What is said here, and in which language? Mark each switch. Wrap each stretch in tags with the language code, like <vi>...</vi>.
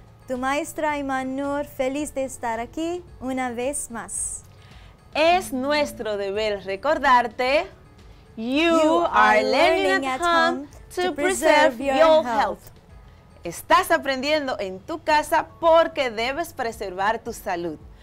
<es>Tu maestra, Iman Noor, feliz de estar aquí una vez más. Es nuestro deber recordarte,</es> <en>you are learning at home to preserve your health.</en> <es>Estás aprendiendo en tu casa porque debes preservar tu salud.</es>